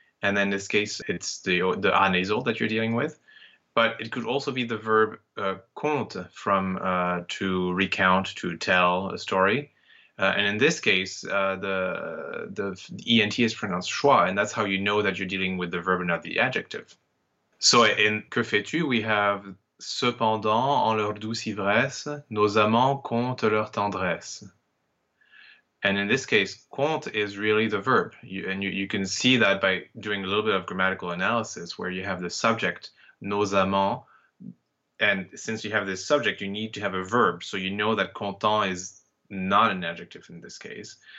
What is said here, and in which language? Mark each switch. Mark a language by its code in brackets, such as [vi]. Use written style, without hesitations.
[en] And then in this case, it's the anasal that you're dealing with. But it could also be the verb conte, from to recount, to tell a story. And in this case, the ENT is pronounced schwa, and that's how you know that you're dealing with the verb and not the adjective. So in Que fais-tu, we have [fr] cependant, en leur douce ivresse, nos amants comptent leur tendresse. [en] And in this case, compte is really the verb. You can see that by doing a little bit of grammatical analysis where you have the subject, nos amants. And since you have this subject, you need to have a verb. So you know that content is not an adjective in this case.